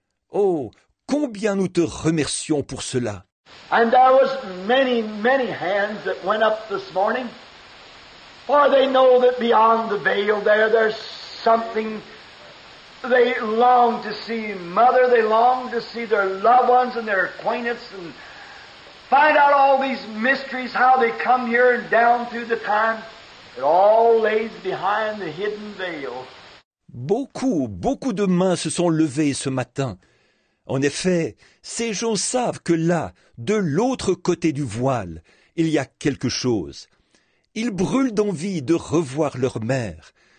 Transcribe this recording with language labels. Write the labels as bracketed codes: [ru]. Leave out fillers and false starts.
[fr] Oh, combien nous te remercions pour cela. [en] And there was many, many hands that went up this morning, for they know that beyond the veil there's something they long to see. Mother, they long to see their loved ones and their acquaintance and find out all these mysteries, how they come here and down through the time. It all lays behind the hidden veil. [fr] Beaucoup, beaucoup de mains se sont levées ce matin. En effet, ces gens savent que là, de l'autre côté du voile, il y a quelque chose. Ils brûlent d'envie de revoir leur mère.